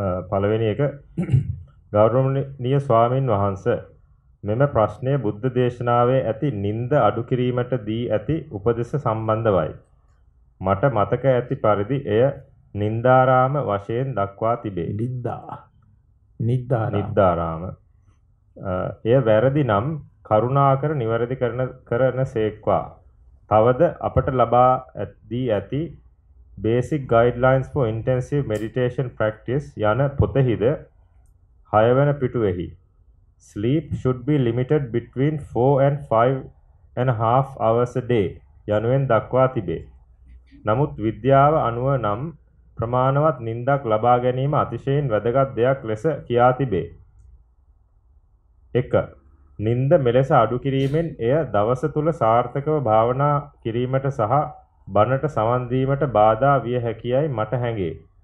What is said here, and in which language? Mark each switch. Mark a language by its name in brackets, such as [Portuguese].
[Sinhala] පළවෙනි එක, ගෞරවනීය ස්වාමින් වහන්ස, මෙම ප්‍රශ්නය බුද්ධ දේශනාවේ ඇති නිନ୍ଦ අඩු කිරීමට දී ඇති උපදේශ සම්බන්ධවයි. මට මතක ඇති පරිදි එය නිന്ദාරාම වශයෙන් දක්වා තිබේ. නිന്ദාරාම. එය වැරදි නම් කරුණාකර නිවැරදි කරන සේක්වා. තවද අපට ලබා දී ඇති [English] Basic Guidelines for Intensive Meditation Practice [Sinhala] යන පොතෙහිද 6 වෙනි පිටුවෙහි [English] Sleep should be limited between 4 and 5 and a half hours a day [Sinhala] යනුවෙන් දක්වා තිබේ. නමුත් විද්‍යාව අනුව නම් ප්‍රමාණවත් නිින්දක් ලබා ගැනීම අතිශයින් වැදගත් දෙයක් ලෙස කියා තිබේ. 1. නිින්ද මෙලෙස අඩු කිරීමෙන් එය දවස තුල සාර්ථකව භාවනා කිරීමට සහ බණට සවන් දීමට බාධා විය හැකියි මට හැඟේ.